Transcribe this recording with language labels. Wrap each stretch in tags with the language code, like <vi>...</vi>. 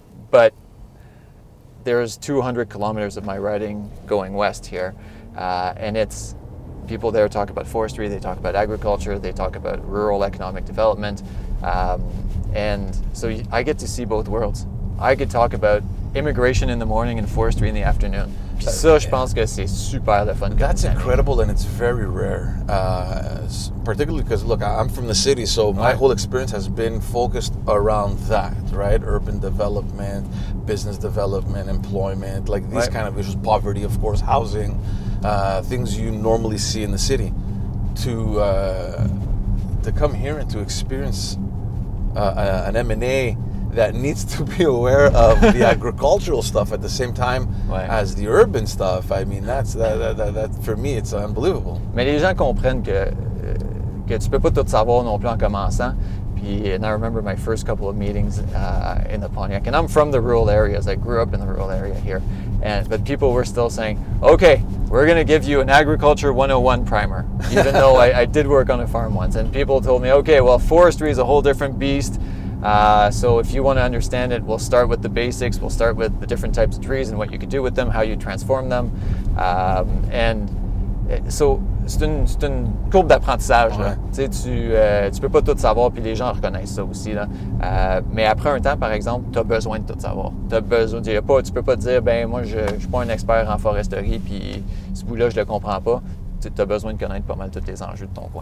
<en>But there's 200 kilometers of my riding going west here. And it's, people there talk about forestry, they talk about agriculture, they talk about rural economic development. And so I get to see both worlds. I could talk about immigration in the morning and forestry in the afternoon.</en> <fr>Puis ça, je pense que c'est super le fun.</fr> <en>That's incredible, and it's very rare. Particularly because, look, I'm from the city, so my whole experience has been focused around that, right? Urban development, business development, employment, like these kind of issues. Poverty, of course, housing, things you normally see in the city. To come here and to experience an M&A that needs to be aware of the agricultural stuff at the same time as the urban stuff. I mean, that's for me, it's unbelievable.</en> <fr>Mais les gens comprennent que tu peux pas tout savoir non plus en commençant. Puis,</fr> <en>and I remember my first couple of meetings in the Pontiac, and I'm from the rural areas. I grew up in the rural area here, but people were still saying, "Okay, we're going to give you an agriculture 101 primer," even though I did work on a farm once. And people told me, "Okay, well, forestry is a whole different beast. So if you want to understand it, we'll start with the basics. We'll start with the different types of trees and what you could do with them, how you transform them. And so</en> <fr>c'est une courbe d'apprentissage. Tu peux pas tout savoir, puis les gens reconnaissent ça aussi. Là. Mais après un temps, par exemple, tu as besoin de tout savoir. T'as besoin de, tu peux pas te dire, ben moi, je suis pas un expert en foresterie, puis ce bout-là, je le comprends pas. Tu as besoin de connaître pas mal tous les enjeux de ton coin.</fr>